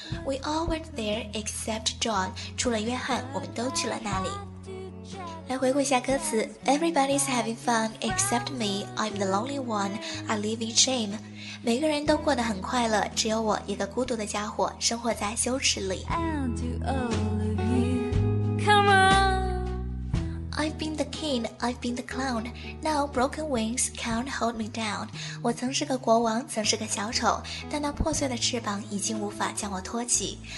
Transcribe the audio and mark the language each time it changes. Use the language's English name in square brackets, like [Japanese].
[English] We all went there except John， [Chinese] 除了约翰我们都去了那里。来回顾一下歌词， [English] Everybody's having fun except me, I'm the lonely one, I live in shame。 [Chinese] 每个人都过得很快乐，只有我一个孤独的家伙，生活在羞耻里。 [English] And to all of you, come on. I've been the king, I've been the clown, now broken wings can't hold me down。 [Chinese] 我曾是个国王，曾是个小丑，但那破碎的翅膀已经无法将我托起。